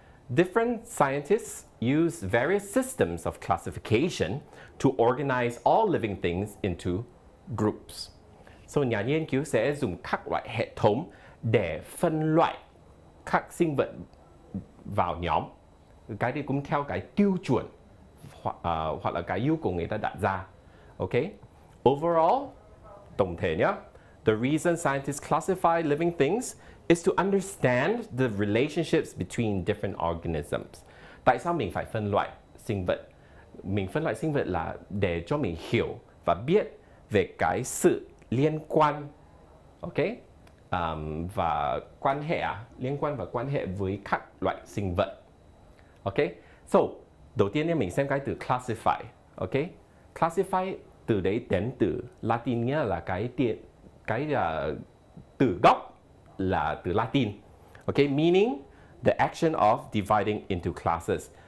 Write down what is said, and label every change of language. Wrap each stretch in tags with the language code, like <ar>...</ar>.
<en>Different scientists use various systems of classification to organize all living things into groups.</en> <vi>So nhà nghiên cứu sẽ dùng các loại hệ thống để phân loại các sinh vật vào nhóm. Cái đấy cũng theo cái tiêu chuẩn hoặc là cái yêu cầu người ta đặt ra. Okay? Overall, tổng thể nhé.</vi> <en>The reason scientists classify living things is to understand the relationships between different organisms.</en> <vi>Tại sao mình phải phân loại sinh vật? Mình phân loại sinh vật là để cho mình hiểu và biết về cái sự liên quan, ok? Và quan hệ, liên quan và quan hệ với các loại sinh vật. Ok? So, đầu tiên mình xem cái từ classify, ok? classify từ đấy đến từ Latin nghĩa là từ gốc là từ Latin.</vi> <en>Okay, meaning the action of dividing into classes.</en>